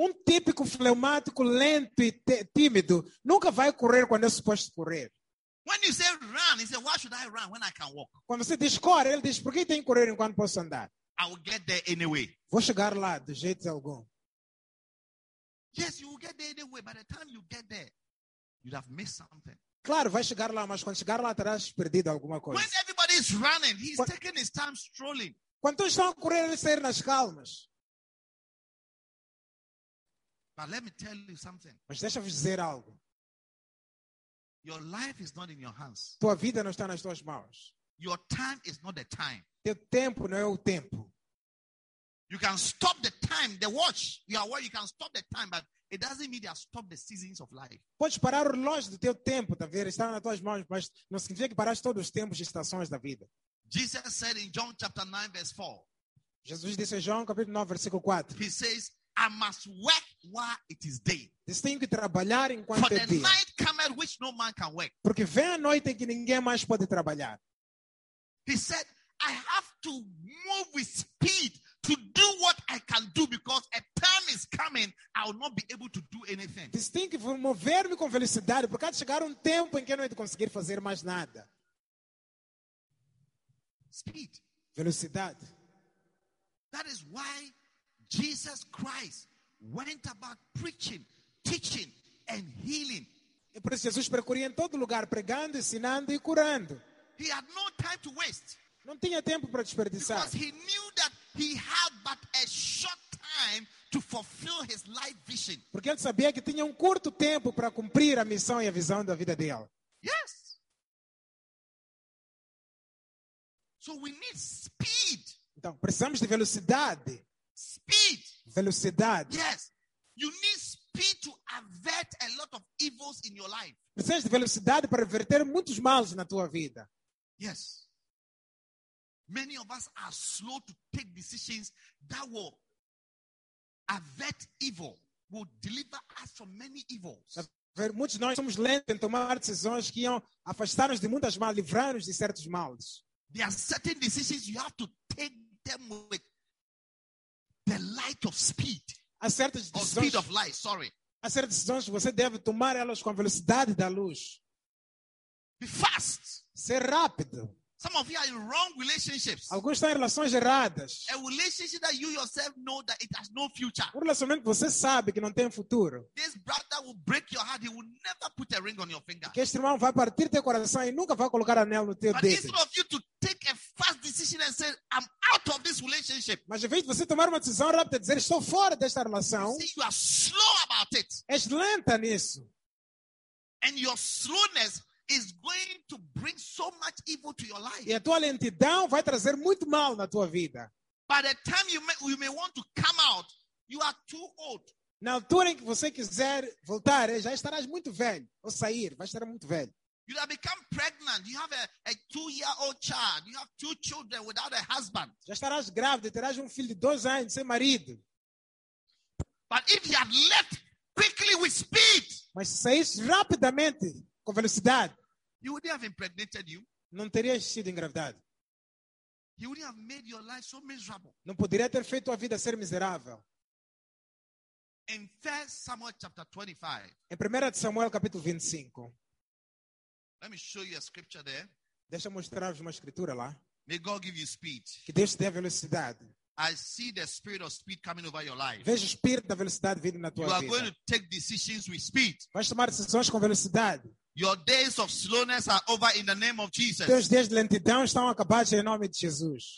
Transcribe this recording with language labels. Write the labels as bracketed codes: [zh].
[pt] Típico fleumático, lento e tímido, nunca vai correr quando é suposto correr. [en] When you say run, he said, why should I run when I can walk? [pt] Quando você diz corre, ele diz, por que tenho que correr enquanto posso andar? [en] I will get there anyway. [pt] Vou chegar lá, de jeito algum. [en] Yes, you will get there anyway. By the time you get there, you have missed something. [pt] Claro, vai chegar lá, mas quando chegar lá, terás perdido alguma coisa. [en] When everybody is running, he's taking his time strolling. [pt] Quando todos estão a correr, ele sair nas calmas. [en] But let me tell you something. [pt] Mas deixa-me dizer algo. [en] Your life is not in your hands. [pt] Tua vida não está nas tuas mãos. [en] Your time is not the time. [pt] Teu tempo não é o tempo. [en] You can stop the time, the watch. You can stop the time, but it doesn't mean you have stopped the seasons of life. [pt] Podes parar o relógio do teu tempo, tá vendo? Está nas tuas mãos, mas não significa que paraste todos os tempos e estações da vida. [en] Jesus said in John chapter 9 verse 4. [pt] Jesus disse em João capítulo 9 versículo 4. [en] He says, I must work while it is day. [pt] Eles têm que trabalhar enquanto [en] for [pt] é dia. [en] For the night cometh which no man can work. [pt] Porque vem a noite em que ninguém mais pode trabalhar. [en] He said, I have to move with speed to do what I can do because a time is coming I will not be able to do anything. [pt] Eles têm que mover-me com velocidade porque há de chegar tempo em que não vou conseguir fazer mais nada. [en] Speed. [pt] Velocidade. [en] That is why Jesus Christ went about preaching, teaching, and healing. [pt] E por isso Jesus percorria em todo lugar, pregando, ensinando e curando. [en] He had no time to waste. [pt] Não tinha tempo para desperdiçar. [en] Because he knew that he had but a short time to fulfill his life vision. [pt] Porque ele sabia que tinha curto tempo para cumprir a missão e a visão da vida dele. [en] Yes. So we need speed. [pt] Então, precisamos de velocidade. [en] Speed. [pt] Velocidade. [en] Yes. You need speed to avert a lot of evils in your life. [pt] Precisas de velocidade para reverter muitos males na tua vida. [en] Yes. Many of us are slow to take decisions that will avert evil, will deliver us from many evils. [pt] Muitos de nós somos lentos em tomar decisões que iam afastar-nos de muitas males, livrar-nos de certos males. [en] There are certain decisions you have to take them with the light of speed. [pt] A certas decisões, [en] or speed of light, sorry. [pt] A certas decisões você deve tomar elas com a velocidade da luz. [en] Be fast. [pt] Ser rápido. [en] Some of you are in wrong relationships. [pt] Alguns estão em relações erradas. [en] A relationship that you yourself know that it has no future. [pt] Um relacionamento que você sabe que não tem futuro. [en] This brother will break your heart. He will never put a ring on your finger. [pt] Que este irmão vai partir teu coração e nunca vai colocar anel no teu [en] But [pt] dedo. [en] Instead of you to take a fast decision and say, I'm out of this relationship. [pt] Mas em vez de você tomar uma decisão rápida e dizer, estou fora desta relação. [en] See, you are slow about it. [pt] És lenta nisso. [en] And your slowness is going to bring so much evil to your life. [pt] E a tua lentidão vai trazer muito mal na tua vida. [en] By the time you may want to come out, you are too old. [pt] Na altura em que você quiser voltar, já estarás muito velho. Ou sair, vai estar muito velho. [en] You have become pregnant. You have a 2-year-old child. You have 2 children without a husband. [pt] Já estarás grávida, terás filho de 2 anos sem marido. [en] But if you had left quickly with speed. [pt] Mas se saísse rapidamente, com velocidade. [en] He wouldn't have impregnated you. [pt] Não teria sido engravidado. [en] He wouldn't have made your life so miserable. [pt] Não poderia ter feito a vida ser miserável. [en] In 1 Samuel chapter 25. [pt] Em 1 Samuel capítulo 25. [en] Let me show you a scripture there. [pt] Deixa eu mostrar-vos uma escritura lá. [en] May God give you speed. [pt] Que Deus te dê velocidade. [en] I see the spirit of speed coming over your life. [pt] Vejo o espírito da velocidade vindo na tua vida. [en] You are going to take decisions with speed. [pt] Vais tomar decisões com velocidade. [en] Your days of slowness are over in the name of Jesus. [pt] Teus dias de lentidão estão acabados em nome de Jesus.